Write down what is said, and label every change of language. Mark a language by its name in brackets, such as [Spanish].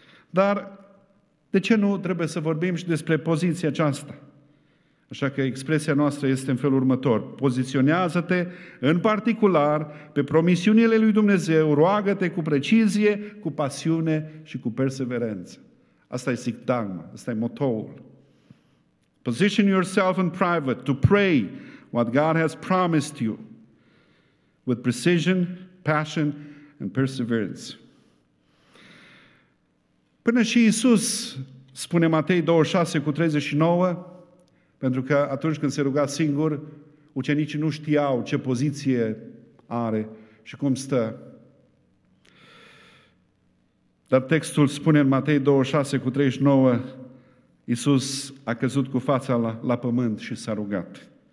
[Romanian] Dar de ce nu trebuie să vorbim și despre poziția aceasta? Așa că expresia noastră este în felul următor. Poziționează-te în particular pe promisiunile lui Dumnezeu, roagă-te cu precizie, cu pasiune și cu perseverență. Asta e sigdagma, asta e motoul. [English] Position yourself in private to pray what God has promised you with precision, passion, and perseverance. [Romanian] Până și Iisus, spune Matei 26:39, pentru că atunci când se ruga singur, ucenicii nu știau ce poziție are și cum stă. Dar textul spune în Matei 26:39, Iisus a căzut cu fața la pământ și s-a rugat.